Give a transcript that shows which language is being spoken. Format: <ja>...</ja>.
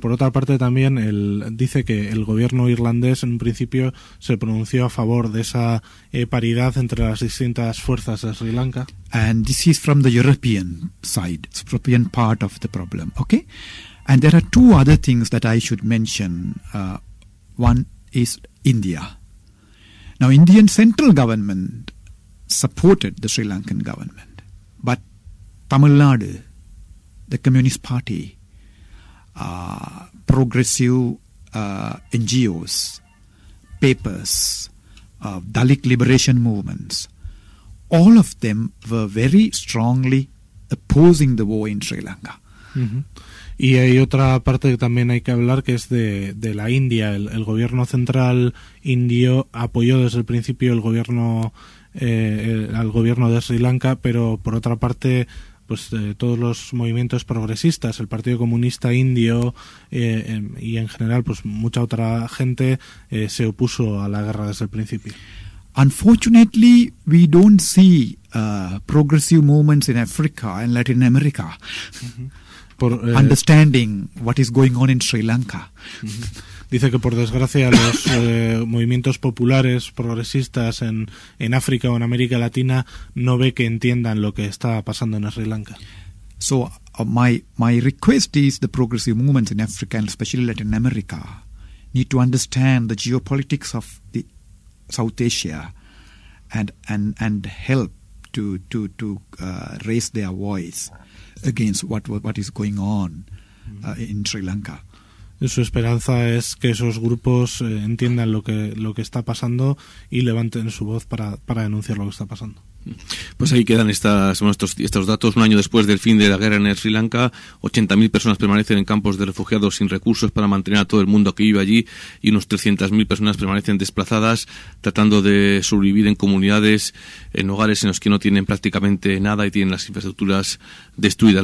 <es>Por otra parte, también dice que el gobierno irlandés en principio se pronunció a favor de esa paridad entre las distintas fuerzas de Sri Lanka.</es> <en>And this is from the European side, the European part of the problem, okay? And there are two other things that I should mention. One is India. Now, Indian central government supported the Sri Lankan government, but Tamil Nadu, the Communist Party, progressive NGOs, papers, Dalit liberation movements, all of them were very strongly opposing the war in Sri Lanka.</en> <es>Y hay otra parte que también hay que hablar, que es de la India. El gobierno central indio apoyó desde el principio al gobierno de Sri Lanka, pero por otra parte, pues todos los movimientos progresistas, el Partido Comunista Indio y en general pues mucha otra gente se opuso a la guerra desde el principio.</es> <en>Unfortunately, we don't see progressive movements in Africa and Latin America. Understanding what is going on in Sri Lanka.</en> <es>Dice que por desgracia los movimientos populares progresistas en África o en América Latina no ve que entiendan lo que está pasando en Sri Lanka.</es> <en>So my request is the progressive movements in Africa and especially Latin America need to understand the geopolitics of the South Asia and help to raise their voice against what is going on in Sri Lanka.</en> <es>Su esperanza es que esos grupos entiendan lo que está pasando y levanten su voz para denunciar lo que está pasando. Pues ahí quedan estos datos. Un año después del fin de la guerra en Sri Lanka, 80.000 personas permanecen en campos de refugiados sin recursos para mantener a todo el mundo que vive allí y unos 300.000 personas permanecen desplazadas tratando de sobrevivir en comunidades, en hogares en los que no tienen prácticamente nada y tienen las infraestructuras destruidas.</es>